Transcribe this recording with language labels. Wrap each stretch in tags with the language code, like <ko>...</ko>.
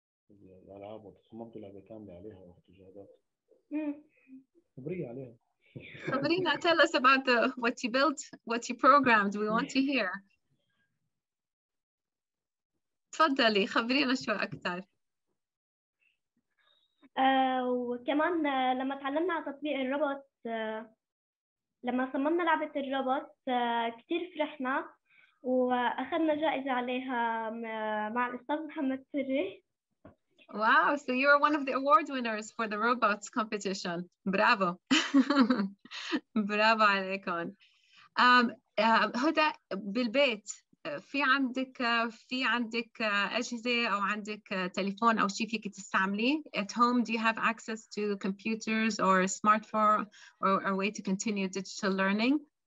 <ar>الألعاب وتصممت لعبة كاملة عليها وحتى جهازات خبرية عليها.</ar> <en>Sabrina, tell us about the what you built, what you programmed. We want to hear.</en> <ar>تفضلي خبرينا شو أكثر. وكمان لما تعلمنا على تطبيق الروبوت لما صممنا لعبة الروبوت كتير فرحنا وأخذنا جائزة عليها مع الأستاذ محمد سري.</ar> <en>Wow, so you are one of the award winners for the robots competition. Bravo. Bravo</en> <ar>عليكم. هدى بالبيت في عندك أجهزة أو عندك تليفون أو شيء فيك تستعمليه؟</ar> <en>At home, do you have access to computers or a smartphone or a way to continue digital learning?</en>